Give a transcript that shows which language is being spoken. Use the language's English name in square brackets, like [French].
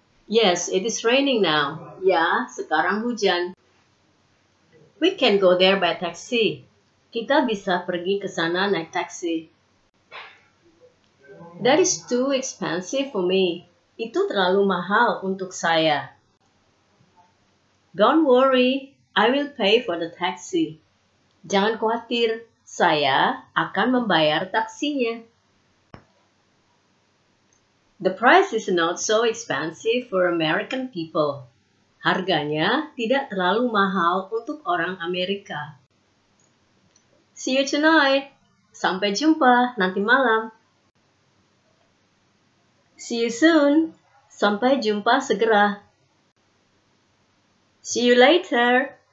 [English] Yes, it is raining now. [Indonesian] Ya, sekarang hujan. [English] We can go there by taxi. [Indonesian] Kita bisa pergi ke sana naik taksi. [English] That is too expensive for me. [Indonesian] Itu terlalu mahal untuk saya. [English] Don't worry, I will pay for the taxi. [Indonesian] Jangan khawatir, saya akan membayar taksinya. [English] The price is not so expensive for American people. [Indonesian] Harganya tidak terlalu mahal untuk orang Amerika. [English] See you tonight. [Indonesian] Sampai jumpa nanti malam. [English] See you soon. [Indonesian] Sampai jumpa segera. [English] See you later.